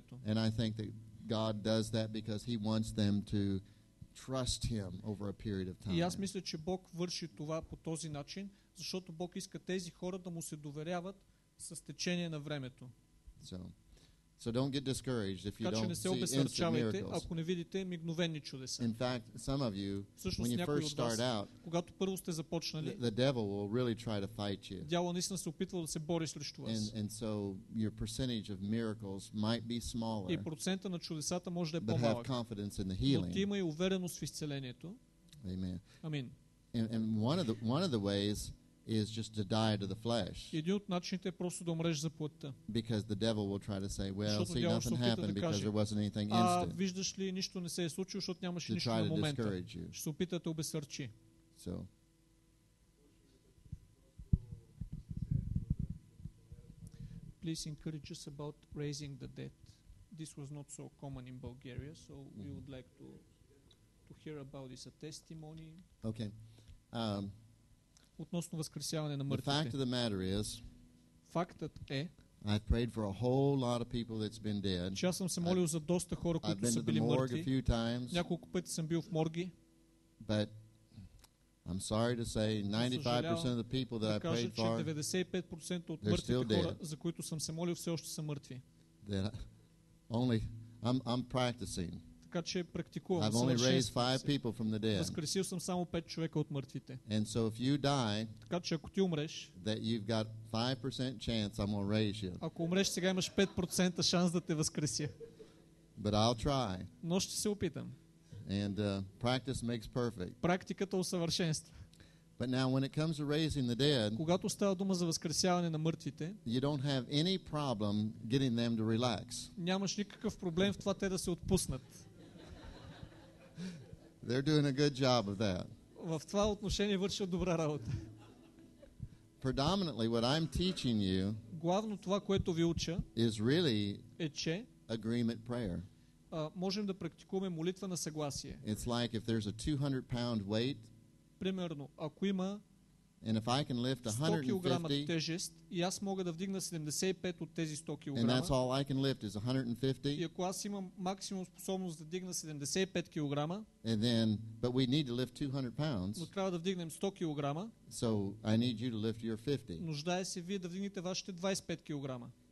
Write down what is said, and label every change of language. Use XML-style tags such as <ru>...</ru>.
<en>And I think that God does that because he wants them to trust him over a period of time.</en> <bg>И аз мисля, че Бог върши това по този начин, защото Бог иска тези хора да му се доверяват с течение на времето.</bg> <en>So don't get discouraged if you don't see instant miracles.</en> <bg>Ако не видите мигновени чудеса.</bg> <en>In fact, some of you, when you first start out,</en> <bg>когато първо сте започнали,</bg> <en>the devil will really try to fight you.</en> <bg>Дяволът наистина се опитва да се бори срещу вас.</bg> <en>And so your percentage of miracles might be smaller.</en> <bg>И процента на чудесата може да е по-малък.</bg> <en>But have confidence in the healing.</en> <bg>Но ти имай увереност в изцелението.</bg> <en>Amen.</en> <bg>Амин.</bg> <en>And one of the ways is just to die to the flesh.</en> <bg>Един от начините е просто да умреш за плътта.</bg> <en>Because the devil will try to say, well, see, nothing happened because there wasn't anything instant.</en> <bg>А виждаш ли, нищо не се е случило, защото нямаше нищо на момента. Ще се опита да обесърчи.</bg> <en>So. Please encourage us about raising the dead. This was not so common in Bulgaria, so we would like to hear about this a testimony. Okay.</en> <bg>Относно възкресяване на мъртвите.</bg> <en>The fact of the matter is,</en> <bg>фактът е,</bg> <en>I've prayed for a whole lot of people that's been dead.</en> <bg>Че аз съм се молил за доста хора, които са били мъртви. Няколко пъти съм бил в морги.</bg> <en>But I'm sorry to say 95% of the people that I've prayed for,</en> <bg>95% от мъртвите хора, за които съм се молил, все още са мъртви.</bg> <en>I'm practicing.</en> <bg>Така че практикувам.</bg> <en>I've only raised 5 people from the dead.</en> <bg>Възкресил съм само 5 човека от мъртвите.</bg> <en>And so if you die,</en> <bg>така че ако ти умреш,</bg> <en>that you've got 5% chance I'm gonna raise you.</en> <bg>Ако умреш, сега имаш 5% шанс да те възкреся.</bg> <en>But I'll try.</en> <bg>Но ще се опитам.</bg> <en>And practice makes perfect.</en> <bg>Практиката усъвършенства.</bg> <en>But now when it comes to raising the dead,</en> <bg>когато става дума за възкресяване на мъртвите,</bg> <en>you don't have any problem getting them to relax.</en> <bg>Нямаш никакъв проблем в това те да се отпуснат.</bg> <en>They're doing a good job of that.</en> <bg>В това отношение вършат добра работа.</bg> <en>Predominantly what I'm teaching you,</en> <bg>главно това, което ви уча,</bg> <en>is really</en> <bg>е, че</bg> <en>agreement prayer.</en> <bg>Можем да практикуваме молитва на съгласие.</bg> <en>It's like if there's a 200 pound weight,</en> <bg>примерно, ако има,</bg> <en>and if I can lift</en> <bg>150 кг тежест, и аз мога да вдигна 75 от тези 100 кг.</bg> <en>And that's all I can lift is 150.</en> <bg>И ако аз имам максимум способност да вдигна 75 кг.</bg> <en>And then, but we need to lift 200 pounds.</en> <bg>Но трябва да вдигнем 100 кг.</bg> <en>So I need you to lift your 50.</en> <bg>Нуждае се вие да вдигнете вашите 25 кг.</bg>